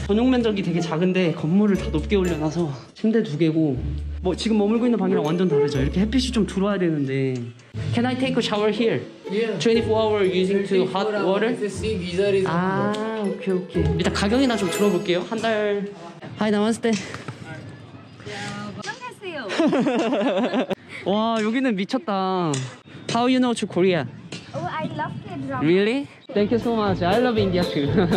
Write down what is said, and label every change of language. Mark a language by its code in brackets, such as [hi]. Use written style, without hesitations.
[ko] 전용 면적이 되게 작은데 건물을 다 높게 올려놔서 침대 두 개고 뭐 지금 머물고 있는 방이랑 완전 다르죠. 이렇게 햇빛이 좀 들어와야 되는데. [en] Can I take a shower here? Yeah. 24 hours using to hot water. Okay. [ko] 일단 가격이나 좀 들어볼게요. 한 달. [en] Hi, Namaste. [ko] 안녕하세요. 와 여기는 미쳤다. [en] How you know to Korea? Oh, I love the drama. Really? Thank you so much. I love India too.